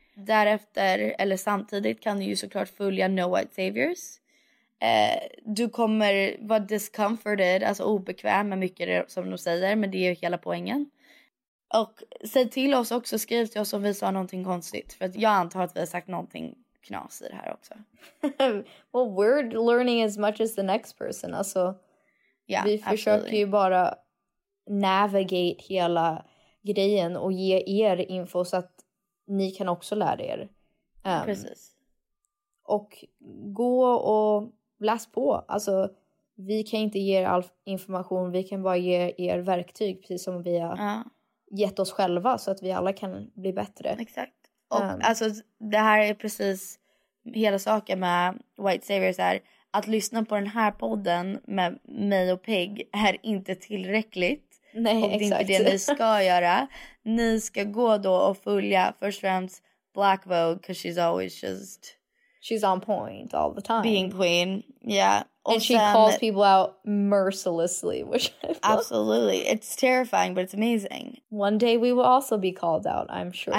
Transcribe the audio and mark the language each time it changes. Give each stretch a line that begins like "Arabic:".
Swedish: Därefter, eller samtidigt, kan du ju såklart följa No White Saviors. Du kommer vara discomforted, alltså obekväm med mycket som de säger. Men det är ju hela poängen. Och säg till oss också, skriv till oss om vi sa någonting konstigt. För att jag antar att vi har sagt någonting knas i det här också.
English: Well, we're learning as much as the next person.
Swedish: Alltså,
English: yeah,
Swedish: vi försöker absolutely. Ju bara navigate hela grejen och ge er info så att ni kan också lära er. Precis. Och gå och läs på. Alltså, vi kan inte ge er all information, vi kan bara ge er verktyg precis som vi har. Gett oss själva så att vi alla kan bli bättre. Exakt. Och alltså det här är precis hela saken med White Saviors är att lyssna på den här podden med mig och Pig är inte tillräckligt. Nej, och exakt. Det är inte det ni ska göra. Ni ska gå då och följa först och främst Black Vogue
English: because she's always just... She's on point all the time. Being queen, yeah. And she calls people out mercilessly, which I feel. Absolutely. It's terrifying, but it's amazing. One day we will also be called out, I'm sure.